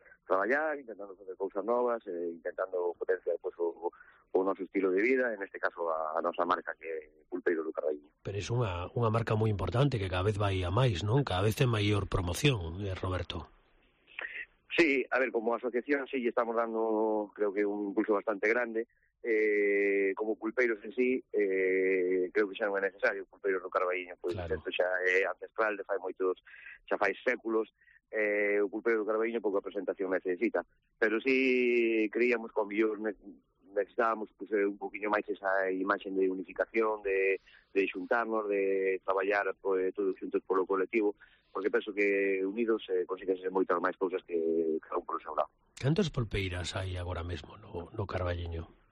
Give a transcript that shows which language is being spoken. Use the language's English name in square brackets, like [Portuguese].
[Spanish] trabajar, intentando hacer cosas nuevas, intentando potenciar pues su estilo de vida, en este caso a nuestra marca, que es Pulpeiro do Carballiño. Pero es una marca muy importante, que cada vez va a ir a más, ¿no? Cada vez en mayor promoción, Roberto. Sí, a ver, como asociación sí estamos dando, creo que, un impulso bastante grande. [Galician] Como pulpeiros en sí, creo que xa non é necesario. Pulpeiros do Carballiño, pois, claro, esto xa é ancestral, de fai moitos, xa fai séculos. O pulpeiro do Carballiño pouca presentación necesita, pero sí creíamos con millor necesitábamos pues, un poquinho máis esa imaxen de unificación, de xuntarnos, de traballar pues, todos xuntos polo colectivo, porque penso que unidos consiguen ser moitas máis cousas que cada un polo seu lado. Cantos pulpeiras hai agora mesmo no Carballiño?